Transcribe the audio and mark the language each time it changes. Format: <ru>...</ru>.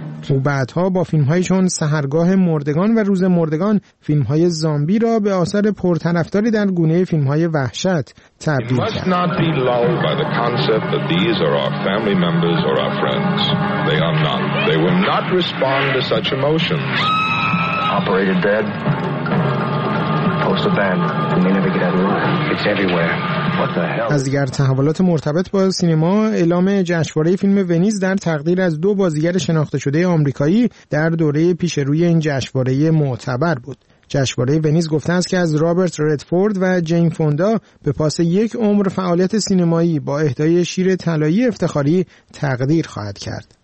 <fa>و بعدها با فیلم‌های چون سحرگاه مردگان و روز مردگان فیلم‌های زامبی را به آثار پرطرفداری در گونه فیلم‌های وحشت تبدیل کرد.</fa> <en>Must not be lulled by the concept that these are our family members or our friends. They are not. They will not respond to such emotions. Operated dead. Post abandoned. We may never get out of it. It's everywhere.</en> <fa>از دیگر تحولات مرتبط با سینما، اعلام جشنواره فیلم ونیز در تقدیر از دو بازیگر شناخته شده آمریکایی در دوره پیش روی این جشنواره معتبر بود. جشنواره ونیز گفته است که از رابرت ردفورد و جین فوندا به پاس یک عمر فعالیت سینمایی با اهدای شیر طلایی افتخاری تقدیر خواهد کرد.</fa>